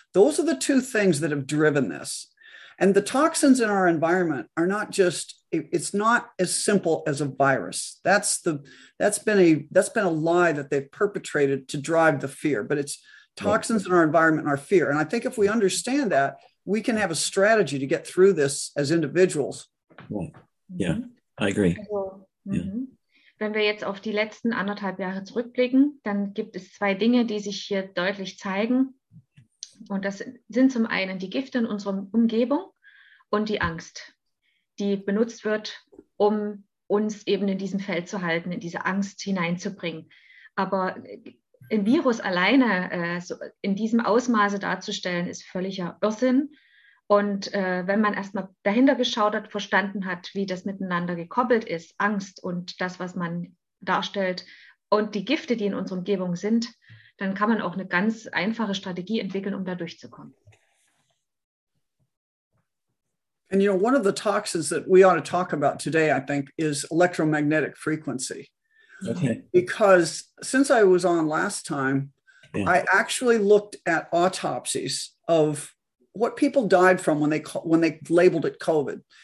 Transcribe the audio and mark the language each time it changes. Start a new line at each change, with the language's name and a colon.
English: Those are the two things that have driven this. And the toxins in our environment are not just, it's not as simple as a virus. That's been a lie that they've perpetrated to drive the fear, but it's toxins in our environment and our fear. And I think if we understand that, we can have a strategy to get through this as individuals. Yeah, I agree. Mm-hmm. Yeah.
German: Wenn wir jetzt auf die letzten anderthalb Jahre zurückblicken, dann gibt es zwei Dinge, die sich hier deutlich zeigen. Und das sind zum einen die Gifte in unserer Umgebung und die Angst, die benutzt wird, um uns eben in diesem Feld zu halten, in diese Angst hineinzubringen. Aber ein Virus alleine so in diesem Ausmaße darzustellen, ist völliger Irrsinn. Und wenn man erstmal dahinter geschaut hat, verstanden hat, wie das miteinander gekoppelt ist, Angst und das, was man darstellt und die Gifte, die in unserer Umgebung sind, dann kann man auch eine ganz einfache Strategie entwickeln, um da durchzukommen.
English: And you know, one of the toxins that we ought to talk about today, I think, is electromagnetic frequency. Okay. Because since I was on last time, I actually looked at autopsies of what people died from when they labeled it COVID.